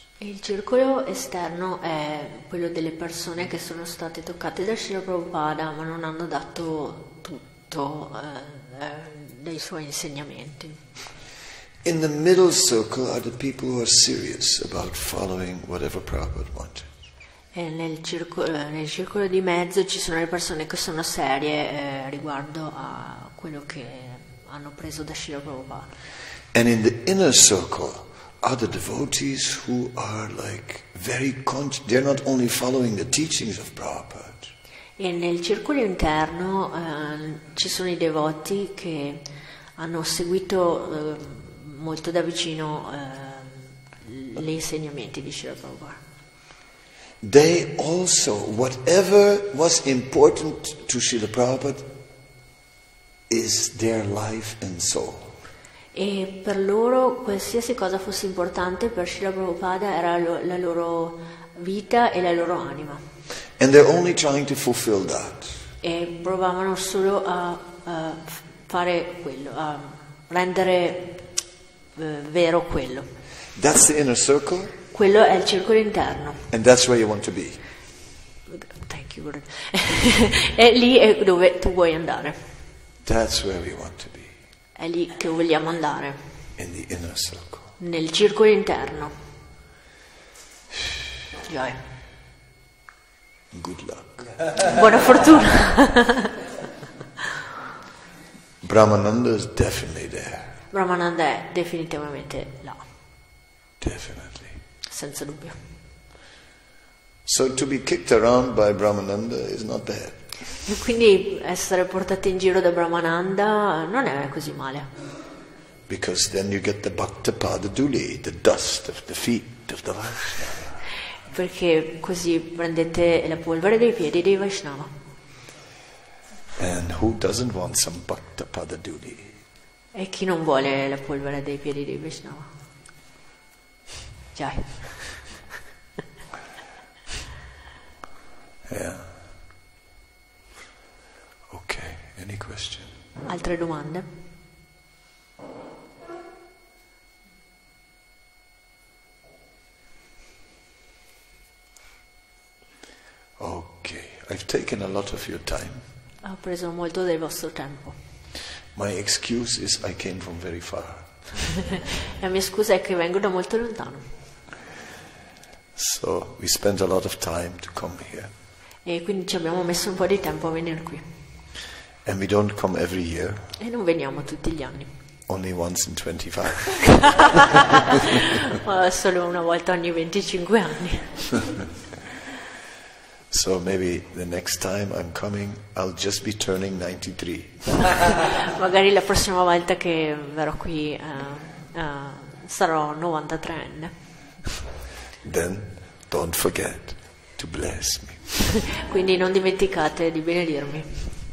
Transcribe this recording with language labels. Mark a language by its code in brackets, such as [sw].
[it] Il circolo esterno è quello delle persone che sono state toccate da Srila Prabhupada, ma non hanno dato tutto dei suoi insegnamenti. [en] In the middle circle are the people who are serious about following whatever Prabhupada wanted. [it] E nel circolo di mezzo ci sono le persone che sono serie riguardo a quello che hanno preso da Srila Prabhupada. [en] And in the inner circle are the devotees who are like very they're not only following the teachings of Prabhupada. [it] E nel circolo interno ci sono i devoti che hanno seguito molto da vicino gli insegnamenti di Srila Prabhupada. [en] They also, whatever was important to Srila Prabhupada, is their life and soul. [it] E per loro qualsiasi cosa fosse importante per Srila Prabhupada era la loro vita e la loro anima. [en] And they're only trying to fulfill that. [it] E provavano solo a fare quello, a rendere vero quello. [en] That's the inner circle. [it] Quello è il circolo interno. [en] And that's where you want to be. Thank you. [it] È lì è dove tu vuoi andare. [en] That's where we want to be. [it] È lì che vogliamo andare. [en] In the inner circle. [it] Nel circolo interno. Yeah. [en] Good luck. [it] Buona fortuna. [en] Brahmananda is definitely there. [it] Brahmananda è definitivamente là. [en] Definitely. [it] Senza dubbio. [en] So to be kicked around by Brahmananda is not bad. [it] E quindi essere portati in giro da Brahmananda non è così male. [en] Because then you get the bhakta pada duli, the dust of the feet of the Vaishnava. [it] Perché così prendete la polvere dei piedi dei Vaishnava. [en] And who doesn't want some bhakta pada duli? [it] E chi non vuole la polvere dei piedi dei Vaishnava? Jai. [en] Yeah. Okay. Any question? [it] Altre domande? [en] Okay. I've taken a lot of your time. [it] Ho preso molto del vostro tempo. [en] My excuse is I came from very far. [it] La mia scusa è che vengo da molto lontano. [en] So we spent a lot of time to come here. [it] E quindi ci abbiamo messo un po' di tempo a venire qui. [en] And we don't come every year. [it] E non veniamo tutti gli anni. [en] Only once in 25. [it] Ma solo una volta ogni 25 anni. [en] So maybe the next time I'm coming I'll just be turning 93. [it] Magari la prossima volta che verrò qui sarò 93enne. [en] Then don't forget to bless me. [it] Quindi non dimenticate di benedirmi.